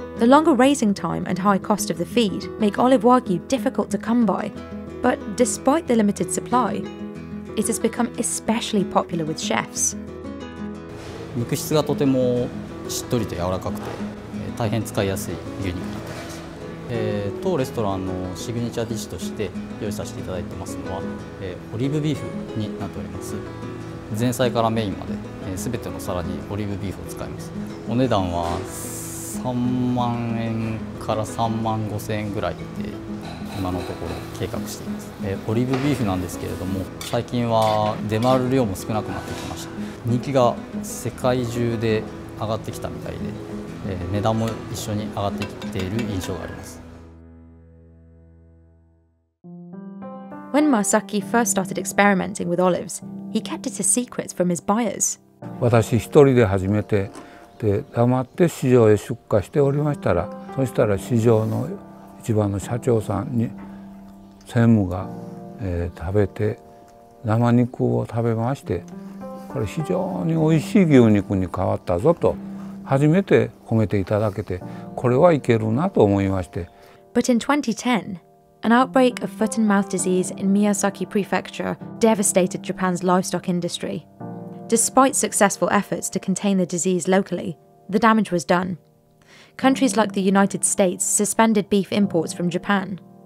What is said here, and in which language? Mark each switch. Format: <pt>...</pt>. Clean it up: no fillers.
<en>The longer raising time and high cost of the feed make olive Wagyu difficult to come by. But despite the limited supply, it has become especially popular with chefs.</en> <ja>肉質がとてもしっとりと柔らかくて、大変使いやすい牛肉になっています。当レストランのシグネチャーディッシュとして用意させていただいてますのは、オリーブビーフになっております。前菜からメインまで、全てのサラダにオリーブビーフを使います。お値段は3万円から3万5000円ぐらいで今のところ計画しています。オリーブビーフなんですけれども、最近は出回る量も少なくなってきました。人気が世界中で上がってきたみたいで、値段も一緒に上がってきている印象があります。</ja> <en>When Masaki first started experimenting with olives, he kept it a secret from his buyers.</en> <ja>私一人で始めて、で黙って市場へ出荷しておりましたら、そしたら市場の一番の社長さんに専務が、食べて、生肉を食べまして、これ非常に美味しい牛肉に変わったぞと初めて褒めていただけて、これはいけるなと思いまして。</ja> <en>But in 2010, an outbreak of foot and mouth disease in Miyazaki Prefecture devastated Japan's livestock industry. Despite successful efforts to contain the disease locally, the damage was done. Countries like the United States suspended beef imports from Japan.</en>